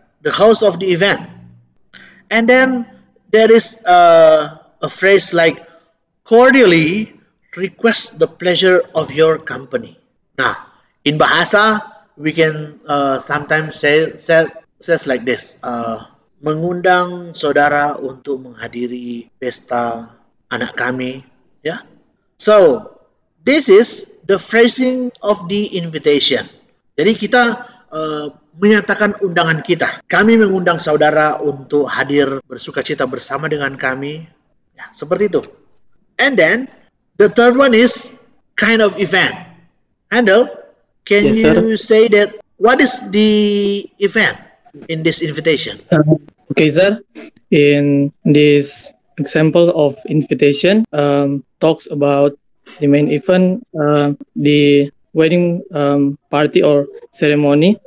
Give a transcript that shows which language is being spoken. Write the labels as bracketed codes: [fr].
[en] The host of the event. And then there is a phrase like, cordially request the pleasure of your company. Now, in Bahasa, we can sometimes says like this. [id] Mengundang saudara untuk menghadiri pesta anak kami. [en] Yeah. So, this is the phrasing of the invitation. [id] Jadi kita menyatakan undangan kita. Kami mengundang saudara untuk hadir bersuka cita bersama dengan kami. Ya, seperti itu. [en] And then, the third one is kind of event. Handel, can yes, you sir. Say that what is the event in this invitation? Okay, sir. In this example of invitation, talks about the main event, the wedding party or ceremony.